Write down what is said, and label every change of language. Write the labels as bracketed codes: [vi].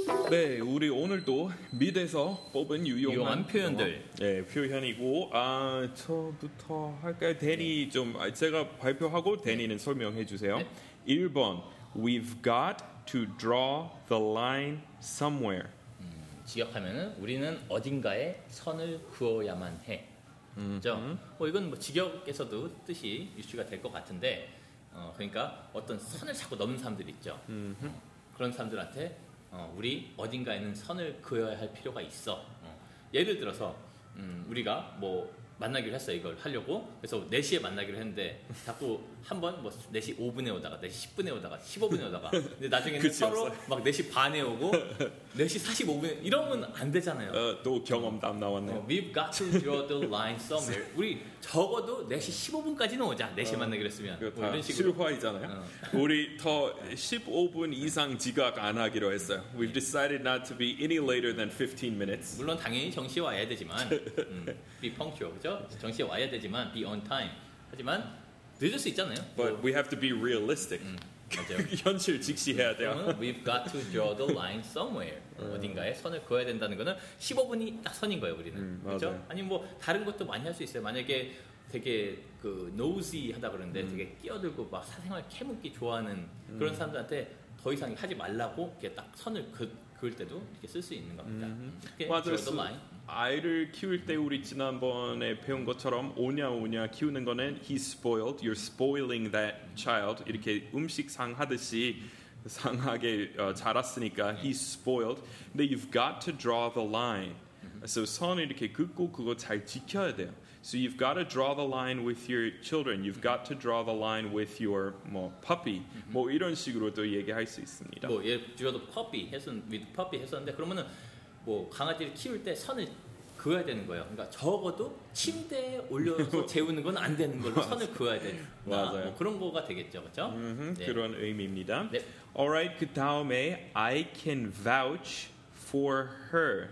[ko] 네, 우리 오늘도 미드에서 뽑은 유용한 표현들. 네, 표현이고 저부터 할까요? 데니 네. 좀 제가 발표하고 데니는 네. 설명해 주세요. 네. [en] 1번, we've got to draw the line somewhere. [ko] 직역하면은 우리는 어딘가에 선을 그어야만 해. 그렇죠? 뭐 이건 뭐 직역에서도 뜻이 유추가 될 것 같은데 그러니까 어떤 선을 자꾸 넘는 사람들 있죠. 그런 사람들한테 우리 어딘가에는 선을 그어야 할 필요가 있어. 예를 들어서 우리가 뭐 만나기로 했어 이걸 하려고 그래서 4시에 만나기로 했는데 자꾸 한 번 뭐 4시 5분에 오다가 4시 10분에 오다가 15분에 오다가 근데 나중에는 서로 막 4시 반에 오고 4시 45분에 이러면 안 되잖아요. 또 경험담 나왔네요. [en] We've got to draw the line somewhere. [ko] 우리 적어도 4시 15분까지는 오자. 4시 만나기로 했으면. 그렇다. 뭐 실화이잖아요. 우리 더 15분 이상 지각 안 하기로 했어요. [en] We've decided not to be any later than 15 minutes. [ko] 물론 당연히 정시에 와야 되지만 be punctual, 그죠? 정시에 와야 되지만 be on time. 하지만 늦을 수 있잖아요. [en] But 뭐. we have to be realistic. 현실 직시해야 돼요. We've got to draw the line somewhere. [ko] 어딘가에 선을 그어야 된다는 거는 15분이 딱 선인 거예요, 우리는. 그렇죠? 아니면 뭐 다른 것도 많이 할 수 있어요. 만약에 되게 그 nosy 하다 그러는데 되게 끼어들고 막 사생활 캐묻기 좋아하는 그런 사람들한테 더 이상 하지 말라고 이렇게 딱 선을 그을 때도 이렇게 쓸 수 있는 겁니다. 맞아요. Draw the line. 아이를 키울 때 우리 지난번에 배운 것처럼 오냐오냐 키우는 거는 he's spoiled, you're spoiling that child 이렇게 음식 상하듯이 상하게 자랐으니까 he's spoiled. [en] 근데 you've got to draw the line. [ko] So 선을 이렇게 긋고 그거 잘 지켜야 돼요. [en] So you've got to draw the line with your children. You've got to draw the line with your 뭐 puppy. [ko] 뭐 이런 식으로도 얘기할 수 있습니다. 뭐 예를 들어도 puppy 해서 with puppy 했었는데 그러면은 뭐 강아지를 키울 때 선을 그어야 되는 거예요. 그러니까 적어도 침대에 올려서 재우는 건 안 되는 걸로 선을 그어야 되나. 맞아요. 뭐 그런 거가 되겠죠. 그렇죠? 네. 그런 의미입니다. 네. Alright, 그 다음에 I can vouch for her.